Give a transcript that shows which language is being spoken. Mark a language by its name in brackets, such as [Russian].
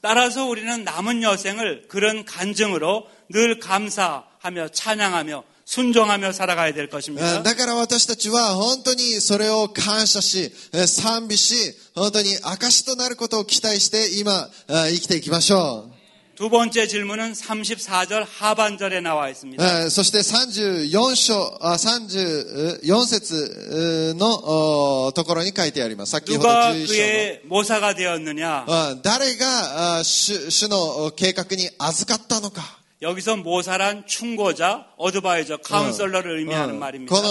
[Korean] 따라서 우리는 남은 여생을 그런 간증으로 늘 감사하며 찬양하며 순종하며 살아가야 될 것입니다. [Japanese] だから私たちは本当にそれを感謝し賛美し本当に証となることを期待して今生きていきましょう。 [Korean] 두 번째 질문은 34절 하반절에 나와 있습니다. [Japanese] そして34章、34節のところに書いてあります。先ほど11章。誰が主の計画に預かったのか。 [Korean] 여기서 모사란 충고자, 어드바이저, 카운셀러를 의미하는 말입니다.